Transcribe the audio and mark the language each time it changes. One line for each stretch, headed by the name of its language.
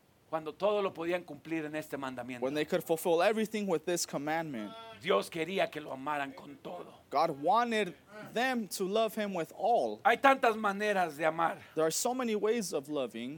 Spanish: Cuando todo lo podían cumplir en este mandamiento.
English: When they could fulfill everything with this commandment.
Spanish: Dios quería que lo amaran con todo.
English: God wanted them to love him with all.
Spanish: Hay tantas maneras de amar.
English: There are so many ways of loving.